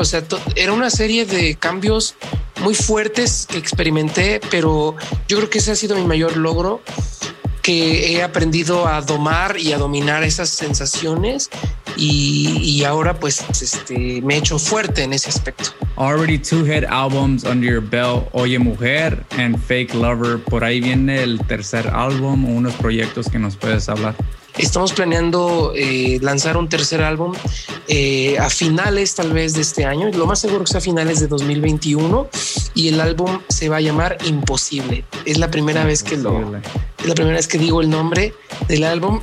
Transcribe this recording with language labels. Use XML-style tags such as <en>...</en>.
<es>O sea, era una serie de cambios muy fuertes que experimenté, pero yo creo que ese ha sido mi mayor logro, que he aprendido a domar y a dominar esas sensaciones, y ahora pues me he hecho fuerte en ese aspecto.</es> <en>Already two hit albums under your belt, Oye Mujer and Fake Lover.</en> <es>Por ahí viene el tercer álbum o unos proyectos que nos puedes hablar. Estamos planeando lanzar un tercer álbum a finales tal vez de este año, lo más seguro que sea a finales de 2021, y el álbum se va a llamar Imposible. Es la primera vez que digo el nombre del álbum.</es>